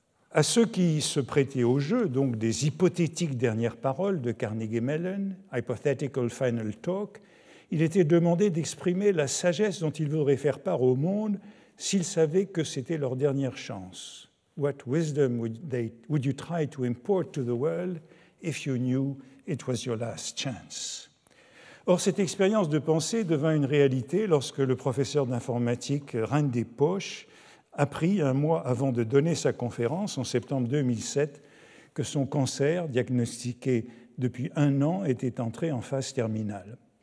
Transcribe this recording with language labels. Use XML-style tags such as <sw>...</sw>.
<fr>À ceux qui se prêtaient au jeu, donc des hypothétiques dernières paroles de Carnegie Mellon, « Hypothetical Final Talk », il était demandé d'exprimer la sagesse dont il voudrait faire part au monde s'ils savaient que c'était leur dernière chance.</fr> <en>« What wisdom would you try to import to the world if you knew it was your last chance ?»</en> <fr>Or, cette expérience de pensée devint une réalité lorsque le professeur d'informatique Randy Posch apprit un mois avant de donner sa conférence, en septembre 2007, que son cancer, diagnostiqué depuis un an, était entré en phase terminale.</fr>